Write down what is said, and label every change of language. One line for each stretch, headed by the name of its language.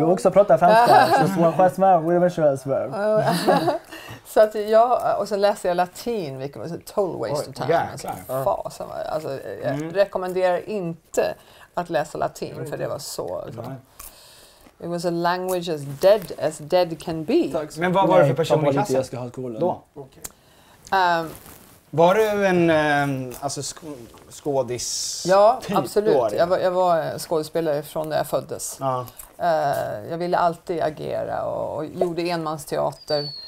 Swedish: Du också pratar franska. Så att jag, och sen läste jag latin, vilket var
English: total waste of time.
Swedish: Jag rekommenderar inte att läsa latin, för det var så.
English: It was a language as dead can be.
Swedish: Men vad var det för person i klassen? Jag ska ha alkoholen. Var du en skådis? Ja, absolut. Jag var skådespelare från när jag föddes. Jag ville alltid agera och gjorde enmansteater.